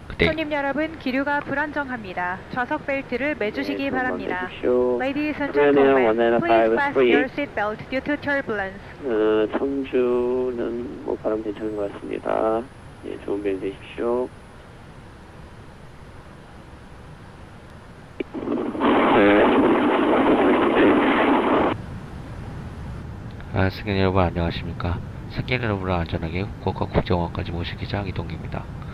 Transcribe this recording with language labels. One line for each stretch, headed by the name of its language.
Korean: 손님 여러분, 기류가 불안정합니다. 좌석 벨트를 매주시기 바랍니다.
English: Ladies and gentlemen, please fasten your seat belt due to turbulence.
Korean: 청주는 뭐 바람 괜찮은 것 같습니다. 예, 좋은 비행 되십시오. 아, 승객 여러분 안녕하십니까. 승객 여러분을 안전하게 후쿠오카 국제공항까지 모실 기차 이동기입니다.